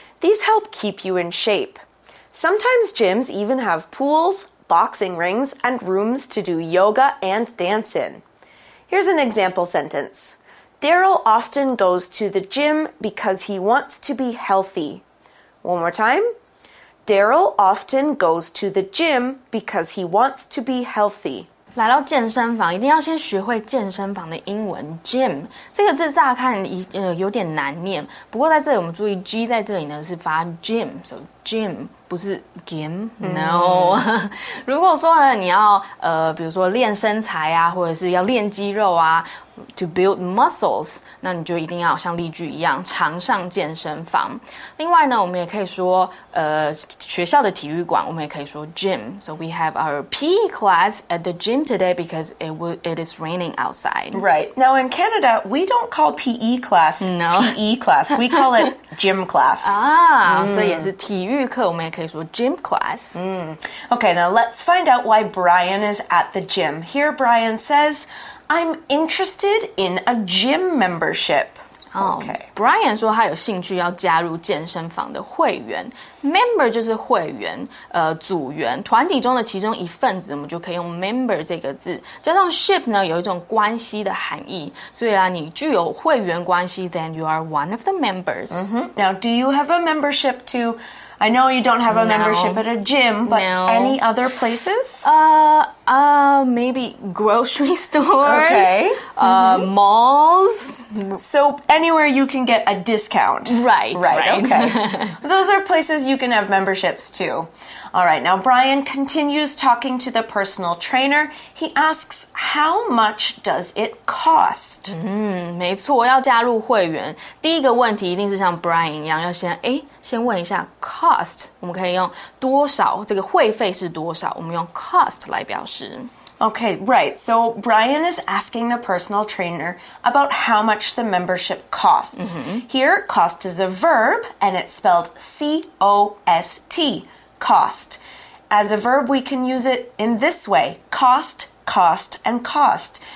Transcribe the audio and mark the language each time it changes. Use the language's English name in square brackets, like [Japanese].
[English] These help keep you in shape. Sometimes gyms even have pools, boxing rings, and rooms to do yoga and dance in. Here's an example sentence. Daryl often goes to the gym because he wants to be healthy. One more time. Daryl often goes to the gym because he wants to be healthy. [Chinese] 来到健身房，一定要先学会健身房的英文 gym。这个字乍看有点难念，不过在这里我们注意 g 在这里呢是发 gym， so g gym 不是 gym no、嗯、如果说呢你要比如说练身材啊或者是要练肌肉啊 [English] to build muscles [Chinese] 那你就一定要像例句一样常上健身房另外呢我们也可以说学校的体育馆我们也可以说 gym [English] so we have our PE class at the gym today because it is raining outside right now in Canada we don't call PE class no PE class we call it gym class [Chinese] 啊、嗯、所以也是体育课我们也可以说 gym class、 [English] 嗯、okay now let's find out why Brian is at the gym here Brian says I'm interested in a gym membership、 [Chinese] 哦、okay Brian 说他有兴趣要加入健身房的会员Member 就是会员组员团体中的其中一份子我们就可以用 member 这个字加上 ship 呢有一种关系的含义所以啊你具有会员关系 [English] then you are one of the members、 mm-hmm. Now do you have a membership to I know you don't have a membership at a gym but any other places? Maybe grocery stores Okay、 mm-hmm. Malls So anywhere you can get a discount Right, okay Those are placesYou can have memberships too. All right, now Brian continues talking to the personal trainer. He asks, how much does it cost? [Chinese] 没错，要加入会员，第一个问题一定是像 Brian 一样，要先问一下 cost. 我们可以用多少，这个会费是多少，我们用 cost 来表示。 [English] Okay, right. So Brian is asking the personal trainer about how much the membership costs. Mm-hmm. Here, cost is a verb, and it's spelled C-O-S-T, cost. As a verb, we can use it in this way, cost, cost, and cost.